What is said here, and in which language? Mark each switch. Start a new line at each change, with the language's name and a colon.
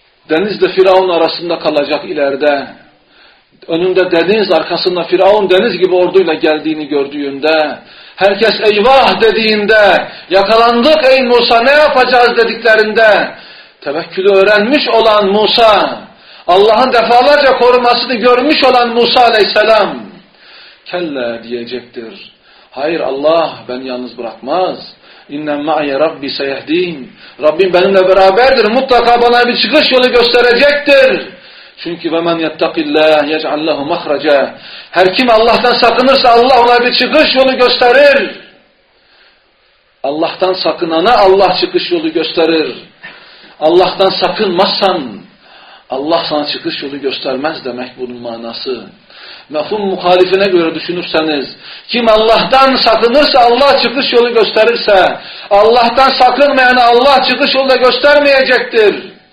Turkish: Denizle Firavun arasında kalacak ileride. Önünde deniz, arkasında Firavun deniz gibi orduyla geldiğini gördüğünde, herkes eyvah dediğinde, yakalandık ey Musa ne yapacağız dediklerinde, tevekkülü öğrenmiş olan Musa, Allah'ın defalarca korumasını görmüş olan Musa Aleyhisselam, kelle diyecektir. Hayır Allah beni yalnız bırakmaz.
Arabic: İnne ma'ye Rabbi seyehdin.
Turkish: Rabbim benimle beraberdir. Mutlaka bana bir çıkış yolu gösterecektir. Çünkü
Arabic: وَمَنْ يَتَّقِ اللّٰهِ يَجْعَلْ لَهُ مَخْرَجًا.
Turkish: Her kim Allah'tan sakınırsa Allah ona bir çıkış yolu gösterir. Allah'tan sakınana Allah çıkış yolu gösterir. Allah'tan sakınmazsan Allah sana çıkış yolu göstermez demek bunun manası. Mefhum muhalifine göre düşünürseniz, kim Allah'tan sakınırsa Allah çıkış yolu gösterirse, Allah'tan sakınmayana Allah çıkış yolu da göstermeyecektir.